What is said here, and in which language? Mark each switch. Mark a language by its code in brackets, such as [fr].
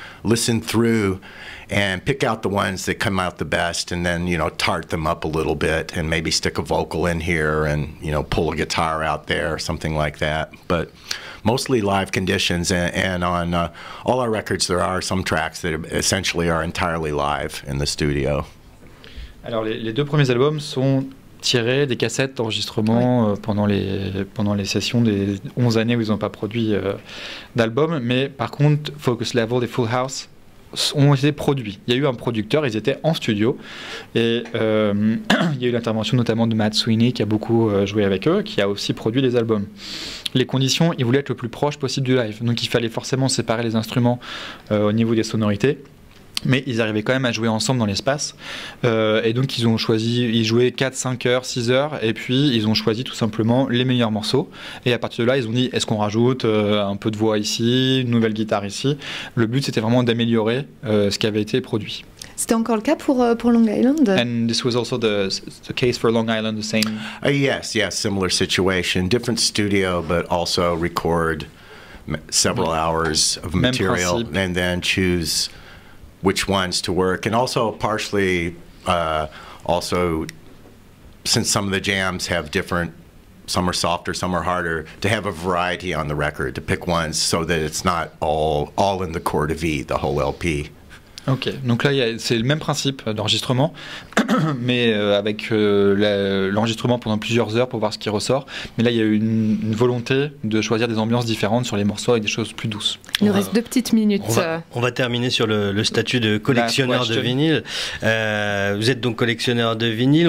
[en] listen through and pick out the ones that come out the best, and then, you know, tart them up a little bit and maybe stick a vocal in here and, you know, pull a guitar out there or something like that. But mostly live conditions, and on all our records there are some tracks that essentially are entirely live in the studio. [fr] Alors les deux premiers albums sont tirés des cassettes d'enregistrement pendant les sessions des 11 années où ils n'ont pas produit d'album, mais par contre Focus Level et Full House ont été produits. Il y a eu un producteur, ils étaient en studio, et il y a eu l'intervention notamment de Matt Sweeney qui a beaucoup joué avec eux, qui a aussi produit les albums. Les conditions, ils voulaient être le plus proche possible du live, donc il fallait forcément séparer les instruments au niveau des sonorités. Mais ils arrivaient quand même à jouer ensemble dans l'espace. Et donc ils ont choisi, ils jouaient 4, 5 heures, 6 heures, et puis ils ont choisi tout simplement les meilleurs morceaux. Et à partir de là, ils ont dit, est-ce qu'on rajoute un peu de voix ici, une nouvelle guitare ici? Le but, c'était vraiment d'améliorer ce qui avait été produit. C'était encore le cas pour Long Island? [en] And this was also the case for Long Island, the same? Yes, similar situation. Different studio, but also record several hours of material. And then choose which ones to work, and also partially also since some of the jams have different, some are softer, some are harder, to have a variety on the record, to pick ones so that it's not all in the chord of E, the whole LP. [fr] Ok, donc là c'est le même principe d'enregistrement, mais avec l'enregistrement pendant plusieurs heures pour voir ce qui ressort. Mais là il y a eu une volonté de choisir des ambiances différentes sur les morceaux avec des choses plus douces. Il nous reste deux petites minutes. On va terminer sur le statut de collectionneur de vinyle. Vous êtes donc collectionneur de vinyle.